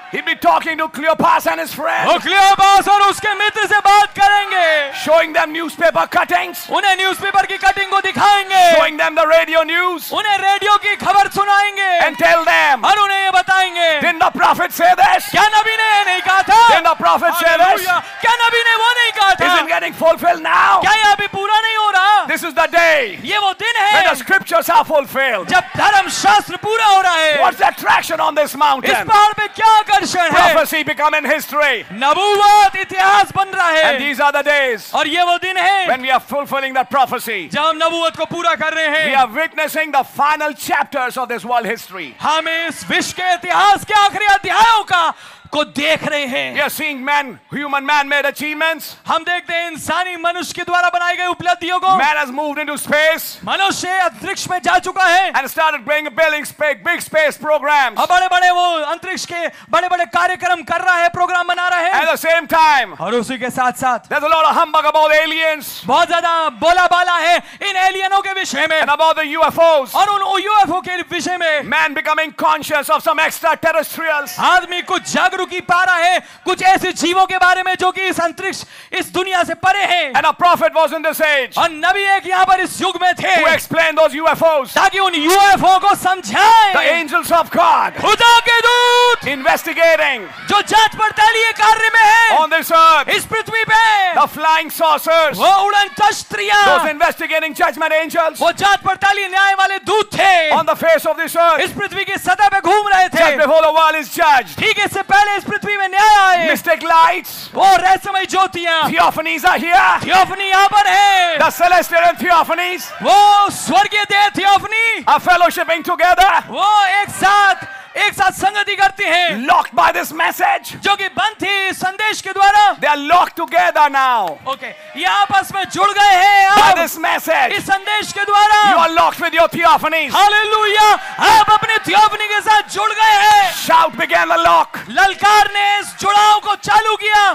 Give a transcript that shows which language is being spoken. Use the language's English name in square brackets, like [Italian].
[English] He'd be talking to Cleopas and his friends. [Hindi] वो Cleopas और उसके मित्र से बात करेंगे. [English] Showing them newspaper cuttings. [Hindi] उन्हें न्यूज़पेपर की कटिंग को दिखाएंगे. [English] Showing them the radio news. [Hindi] उन्हें रेडियो की खबर सुनाएंगे. [English] And tell them. [Hindi] और उन्हें ये बताएंगे. [English] Didn't the prophet say this? [Hindi] क्या नबी ने नहीं कहा था? [English] Didn't the prophet say this? [Hindi] क्या नबी ने वो नहीं कहा था? [English] Isn't getting fulfilled now? [Hindi] क्या ये अभी पूरा नहीं हो रहा? [English] This is the day. [Hindi] ये वो दिन है. [English] When the scriptures are fulfilled. [Hindi] जब धर्म शास्त्र पूरा हो रहा है. [English] What's the attraction on this mountain? [Hindi] इस पहाड़ पे क्या आकर्षण है? [English] Prophecy becoming history. [Hindi] नबूवत इतिहास बन रहा है. [English] And these are the days. [Hindi] और ये वो दिन है. [English] When we are fulfilling that prophecy. [Hindi] जब हम नबूवत को पूरा कर रहे हैं. [English] We are witnessing the final chapters of this world history. [Hindi] हम इस विश्व के इतिहास के आखिरी अध्यायों का को देख रहे हैं. [English] We are seeing man, human man-made achievements. [Hindi] हम देखते हैं इंसानी मनुष्य के द्वारा बनाई गई उपलब्धियों को. [English] Man has moved into space. [Hindi] मनुष्य अंतरिक्ष में जा चुका है. [English] And started building big space programs. [Hindi] और बड़े-बड़े वो अंतरिक्ष के बड़े-बड़े कार्यक्रम कर रहा है, प्रोग्राम बना रहा है. [English] At the same time. [Hindi] और उसी के साथ-साथ. [English] There's a lot of humbug about aliens. [Hindi] बहुत ज़्यादा बोला-बाला है इन एलियनों के विषय में. [English] And about the UFOs. [Hindi] और उन UFO के विषय में. [English] Man becoming conscious of some extraterrestrials. [Hindi] आदमी कुछ रुकी पा रहा है कुछ ऐसे जीवों के बारे में जो कि इस अंतरिक्ष इस दुनिया से परे हैं. [English] And a prophet was in this age. [Hindi] और नबी एक यहाँ पर इस युग में थे. [English] To explain those UFOs. [Hindi] ताकि उन UFO को समझाएं. [English] The angels of God. [Hindi] खुदा के दूत. [English] Investigating. [Hindi] जो जांच पड़ताल ये कार्य में है. [English] On this earth. [Hindi] इस पृथ्वी पे. [English] The flying saucers. [Hindi] वो उड़नदस्तियाँ. [English] Those investigating judgment angels. [Hindi] वो जांच पड़ताल न्याय वाले दूत थे. [English] On the face of this earth. [Hindi] इस पृथ्वी की सतह पे घूम रहे थे. [English] Just before the world is judged. [Hindi] ठीक है से पहले इस पृथ्वी में न्याय आए. [English] Mystic lights. [Hindi] वो रहस्यमय ज्योतियाँ. [English] Theophanies are here. [Hindi] Theophany यहाँ पर है. [English] The celestial and Theophanies. [Hindi] वो स्वर्गीय देह Theophany. [English] Are fellowshipping together. [Hindi] वो एक साथ संगति करते हैं. [English] Locked by this message. [Hindi] जो कि बंद थी संदेश के द्वारा. [English] They are locked together now. [Hindi] Okay. ये आपस में जुड़ गए हैं. [English] By this message. [Hindi] इस संदेश के द्वारा. [English] You are locked with your Theophanies. Hallelujah. [Hindi] आप अपने Theophany के साथ जुड़ गए हैं. [English] Shout began the lock. [Hindi] ललकार ने इस जुड़ाव को चालू किया.